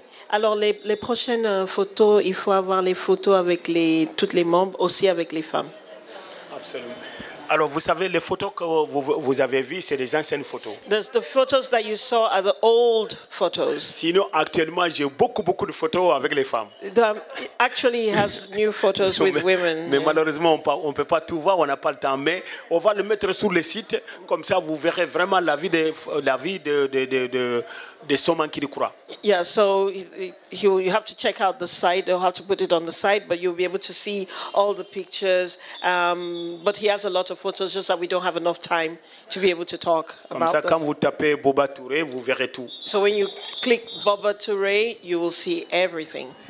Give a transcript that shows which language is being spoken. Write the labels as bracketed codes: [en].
[fr] Alors les prochaines photos, il faut avoir les photos avec toutes les membres, aussi avec les femmes. Absolument. Alors vous savez, les photos que vous avez vues, c'est des anciennes photos. [en] The photos that you saw are the old photos. [fr] Sinon, actuellement, j'ai beaucoup de photos avec les femmes. [en] Actually, he has new photos with women. [fr] Mais malheureusement, on peut pas tout voir, on n'a pas le temps. Mais on va le mettre sur le site, comme ça, vous verrez vraiment la vie de [en] the Somankidi Coura. Yeah, so you have to check out the site. You'll have to put it on the site, but you'll be able to see all the pictures. But he has a lot of photos, just that we don't have enough time to be able to talk about this. [fr] Quand vous tapez Boba Touré, vous verrez tout. [en] So when you click Boba Touré, you will see everything.